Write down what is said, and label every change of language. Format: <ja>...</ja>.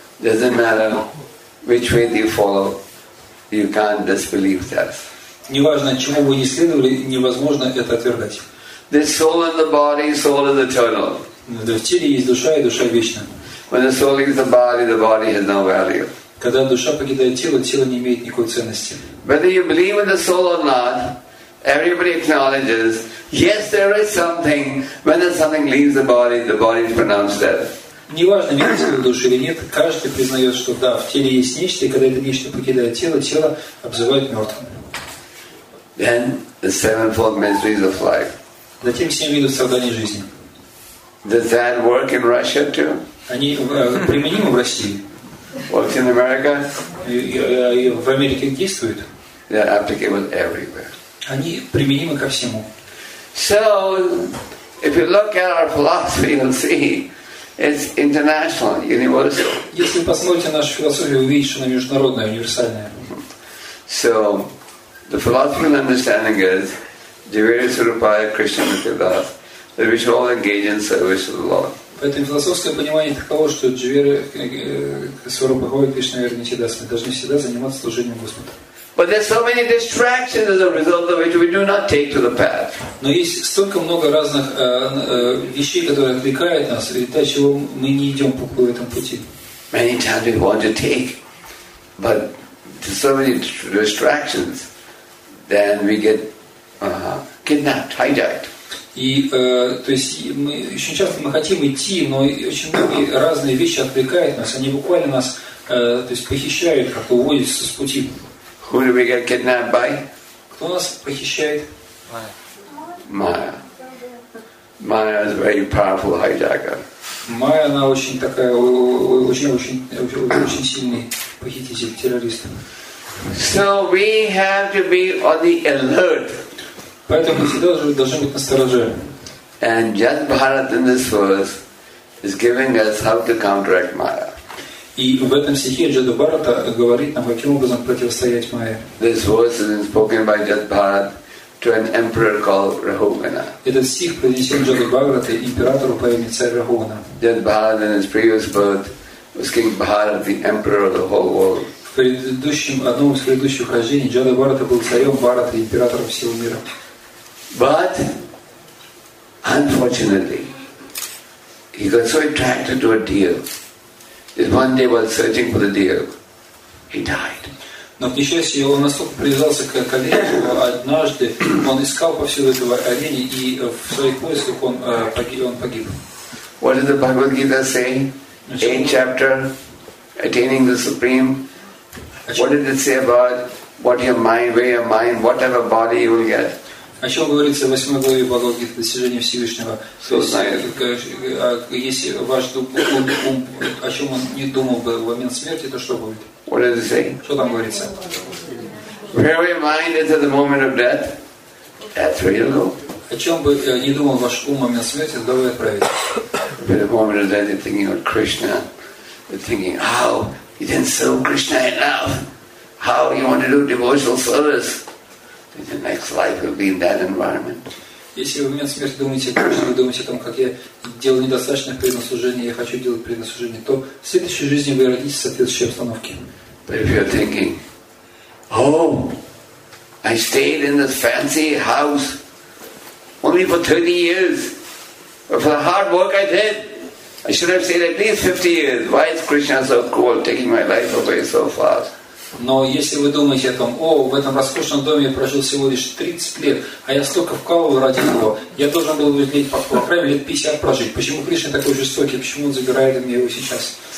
<en>Doesn't matter which way you follow, you can't disbelieve that.</en> <ru>Неважно, чему вы не следовали, невозможно это отвергать.</ru> <en>The soul and the body, soul is eternal.</en> <ru>В теле есть душа, и душа вечна.</ru> <en>When the soul leaves the body has no value.</en> <ru>Когда душа покидает тело, тело не имеет никакой ценности.</ru> <en>Whether you believe in the soul or not, everybody acknowledges, yes, there is something. When something leaves the body is pronounced dead.</en> <ru>Неважно, верите вы в душу или нет, каждый признает, что да, в теле есть нечто, и когда это нечто покидает тело, тело обзывают мертвым.</ru> <en>Then the sevenfold miseries of life.</en> <ru>Затем семь видов страданий жизни.</ru> <en>Does that work in Russia too?</en> <ru>Они применимы в России.</ru> <en>Works in America?</en> <ru>В Америке действуют.</ru> <en>They're applicable everywhere.</en> <ru>Они применимы ко всему.</ru> <en>So, if you look at our philosophy, you'll see it's international, universal.</en> <ru>Если вы посмотрите нашу философию, вы увидите, что она международная, универсальная.</ru> <en>So, the philosophical understanding is</en> <bn>Jivere Surupaya Krishna Nityadas,</bn> <en>that we should all engage in service to the Lord.</en> <ru>Поэтому философское понимание таково, что</ru> <bn>Jivere Surupaya Krishna Nityadas,</bn> <ru>мы должны всегда заниматься служением Господу.</ru> <en>But there's so many distractions as a result of which we do not take to the path.</en> <ru>Но есть столько много разных вещей, которые отвлекают нас, и так чего мы не идем по этому пути.</ru> <en>Many times we want to take, but there's so many distractions, then we get kidnapped, hijacked.</en> <ru>И то есть мы очень часто мы хотим идти, но очень много разные вещи отвлекают нас, они буквально нас то есть похищают, как уводят с пути.</ru> <en>Who do we get kidnapped by?</en> <ru>Кто нас похищает? Майя.</ru> <en>Майя is a very powerful hijacker.</en> <ru>Майя, она очень такая, очень сильный похититель, террорист.</ru> <en>So we have to be on the alert.</en> <ru>Поэтому мы всегда должны быть настороже.</ru> <en>And just Bharat in this verse is giving us how to counteract Майя.</en> <ru>И в этом стихе Джада Бхарата говорит нам, каким образом противостоять Майе.</ru> <en>This verse is spoken by Jada Bharat to an emperor called Rahugana.</en> <ru>Этот стих принесен Джада Бхарата императору по имени царь Рахугана.</ru> <en>Джада Бхарат in his previous birth was King Bharat, the emperor of the whole world.</en> <ru>В предыдущем одном из предыдущих рождений Джада Бхарата был царем Бхарата, императором всего мира.</ru> <en>But unfortunately, he got so attracted to a deer. That one day while searching for the deer, he died.</en> <ru>Но, к несчастью, он настолько привязался к олене, что однажды он искал повсюду этого оленя, и в своих поисках он погиб.</ru> <en>What does the Bhagavad Gita say? 8th chapter, attaining the supreme. What did it say about what your mind, where your mind, whatever body you will get?</en> <ru>О чем говорится в 8 главе Бхагавад Гиты, достижение Всевышнего?</ru> <en>So</en> <ru>если ваш дух, ум, о чем он не думал бы в момент смерти, то что будет?</ru> <en>What does it say?</en> <ru>Что там говорится?</ru> <en>Where your mind is at the moment of death, that's where you'll go.</en> <ru>О чем бы не думал ваш ум в момент смерти, туда вы отправитесь.</ru> <en>At the moment of death, you're thinking of Krishna. You're thinking, how? You didn't serve Krishna enough. How you want to do devotional service? In the next life, you'll be in that environment.</en> <ru>Если вы в момент смерти думаете, вы думаете о том, как я делал недостаточно предослужения, я хочу делать предослужение, то в следующей жизни вы родитесь в соответствующей обстановке.</ru> <en>But if you're thinking, oh, I stayed in this fancy house only for 30 years, but for the hard work I did, I should have stayed at least 50 years. Why is Krishna so cruel, taking my life away so fast?</en> <ru>Но если вы думаете о том, о, в этом роскошном доме я прожил всего лишь 30 лет, а я столько вкалываю ради него, я должен был лет, по крайней мере, 50 прожить. Почему Кришна такой жестокий? Почему он забирает у меня его сейчас?</ru>